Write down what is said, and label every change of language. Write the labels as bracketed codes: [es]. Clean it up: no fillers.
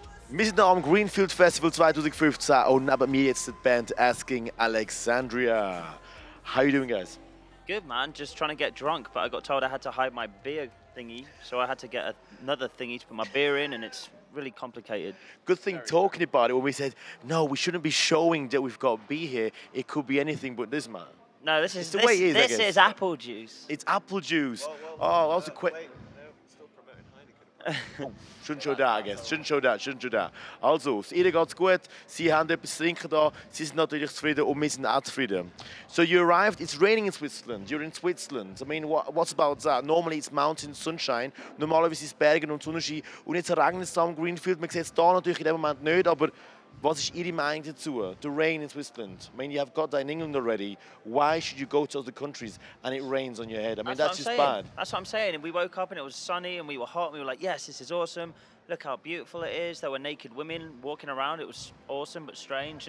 [de] Wir sind noch am Greenfield Festival 2015 und neben mir jetzt die Band Asking Alexandria. [en] How are you doing, guys? Good, man. Just trying to get drunk, but I got told I had to hide my beer thingy, so I had to get another thingy to put my beer in, and it's really complicated. Good thing talking about it when we said, no, we shouldn't be showing that we've got beer here. It could be anything but this, man. No, this is the way it is. This is apple juice. It's apple juice. Well, that was a quick. Shouldn't show that. [de] Also, es ihnen geht's gut. Sie haben etwas zu trinken da. Sie sind natürlich zufrieden und wir sind auch zufrieden. [en] So you arrived. It's raining in Switzerland. You're in Switzerland. I mean, what's about that? Normally it's mountains, sunshine. [de] Normalerweise ist es Bergen und Sonnenschein. Und jetzt regnet es da am Greenfield. Man sieht es da natürlich in dem Moment nicht. Aber was ist Ihre Meinung dazu? [en] The rain in Switzerland. I mean, you have got that in England already. Why should you go to other countries and it rains on your head? I mean, that's just bad. That's what I'm saying. And we woke up and it was sunny and we were hot. And we were like, yes, this is awesome. Look how beautiful it is. There were naked women walking around. It was awesome but strange.